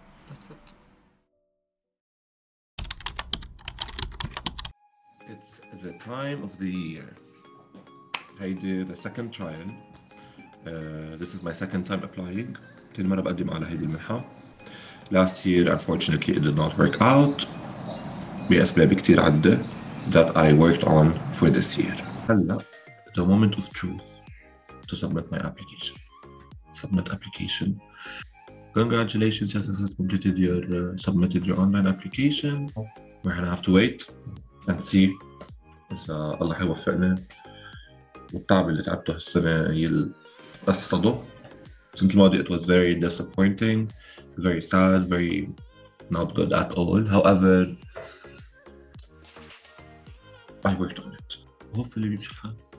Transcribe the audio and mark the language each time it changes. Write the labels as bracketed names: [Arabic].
[English] That's it. It's the time of the year. I did the second trial. This is my second time applying. [Arabic] تاني مرة بقدم على هيدي المنحة. [English] Last year, unfortunately, it did not work out. [Arabic] بأسباب كتير عدة. [English] That I worked on for this year. Hello, the moment of truth to submit my application. Submit application. Congratulations, you have completed your submitted your online application. We're gonna have to wait and see. [Arabic] إذا الله يوفقنا والتعب اللي تعبته هالسنة يحصده. سنة الماضية [English] it was very disappointing, very sad, very not good at all. However, I worked on it. Hopefully we should have.